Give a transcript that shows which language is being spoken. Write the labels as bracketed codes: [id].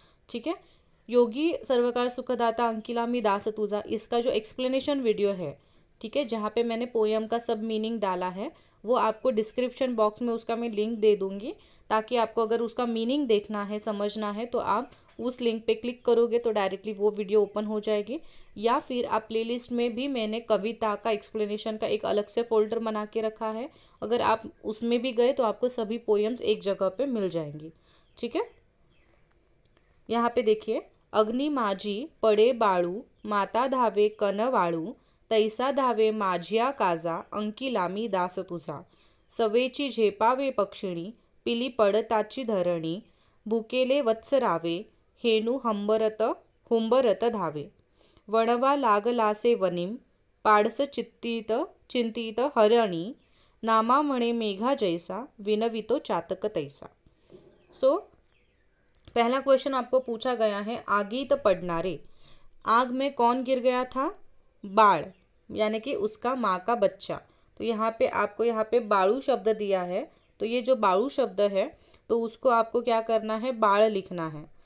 [hi] ठीक है, योगी सर्वकार सुखदाता अंकिलामी दास तुझा, इसका जो एक्सप्लेनेशन वीडियो है, ठीक है, जहाँ पे मैंने पोयम का सब मीनिंग डाला है, वो आपको डिस्क्रिप्शन बॉक्स में उसका मैं लिंक दे दूंगी, ताकि आपको अगर उसका मीनिंग देखना है, समझना है, तो आप उस लिंक पे क्लिक करोगे तो डायरेक्टली वो वीडियो ओपन हो जाएगी। या फिर आप प्लेलिस्ट में भी मैंने कविता का एक्सप्लेनेशन का एक अलग से फोल्डर बना के रखा है, अगर आप उसमें भी गए तो आपको सभी पोएम्स एक जगह पे मिल जाएंगी। [mr] ठीक है, यहाँ पे देखिए, अग्नि माझी पड़े बाळू, माता धावे कन वाळू, तैसा धावे माझिया काजा, अंकी लामी दास तुझा, सवेची झेपावे पक्षिणी, पिली पडताची धरणी, भुकेले वत्स रावे, हेणू हुंबरत धावे, वणवा लागलासे वनिम, पाडस चिंतित हरणी, नामा म्हणे मेघा जैसा, विनवितो चातक तैसा। [hi] पहला क्वेश्चन आपको पूछा गया है, [mr] आगीत पडणारे, [hi] आग में कौन गिर गया था? बाळ, यानी कि उसका माँ का बच्चा। तो यहाँ पे आपको यहाँ पे बाळू शब्द दिया है, तो ये जो बाळू शब्द है तो उसको आपको क्या करना है, बाळ लिखना है।